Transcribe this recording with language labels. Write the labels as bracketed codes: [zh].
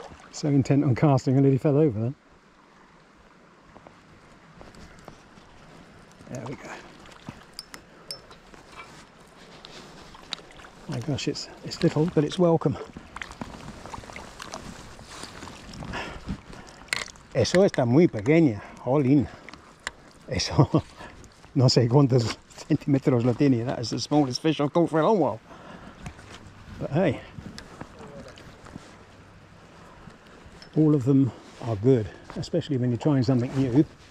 [en] So intent on casting, I nearly fell over then. There we go. My gosh, it's little, but it's welcome. [es] Eso está muy pequeña, jolín. Eso, no sé cuántos centímetros lo tiene. [en] That is the smallest fish I've caught for a long while. But hey, all of them are good, especially when you're trying something new.